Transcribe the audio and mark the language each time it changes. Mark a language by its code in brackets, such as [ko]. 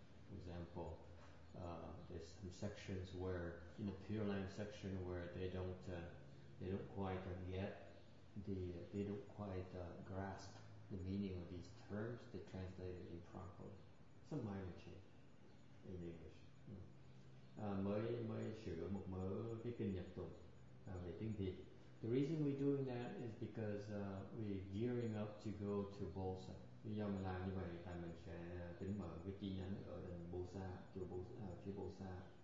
[en] For example, there's some sections where, in the Pure Land section, where they don't quite grasp the meaning of these terms, they translate it improperly. Some minor change in English. [vi] Mới sửa một mớ cái kinh nhật tụng về tiếng Việt. [en] The reason we're doing that is because we're gearing up to go to Bosa. [vi] Lý do mình làm như vậy là mình sẽ tính mở cái chi nhánh ở đền Bosa, phía Bosa.